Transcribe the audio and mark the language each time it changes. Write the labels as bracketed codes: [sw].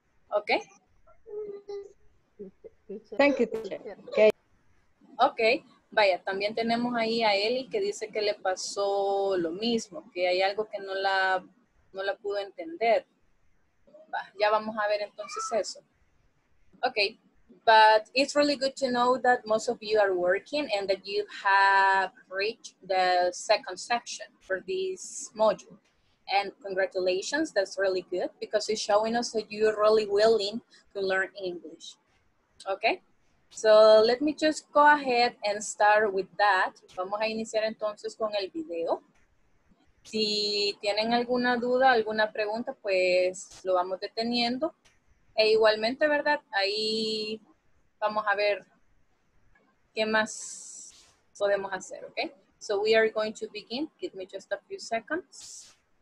[en] Ok. Thank you, teacher. Okay. [es] Okay, vaya, también tenemos ahí a Eli que dice que le pasó lo mismo, que hay algo que no la pudo entender. Va, ya vamos a ver entonces eso. [en] Okay, but it's really good to know that most of you are working and that you have reached the second section for this module. And congratulations, that's really good because it's showing us that you're really willing to learn English. Okay, so let me just go ahead and start with that. [es] Vamos a iniciar entonces con el video. Si tienen alguna duda, alguna pregunta, pues lo vamos deteniendo. E igualmente, ¿verdad? Ahí vamos a ver qué más podemos hacer, okay? [en] So we are going to begin. Give me just a few seconds.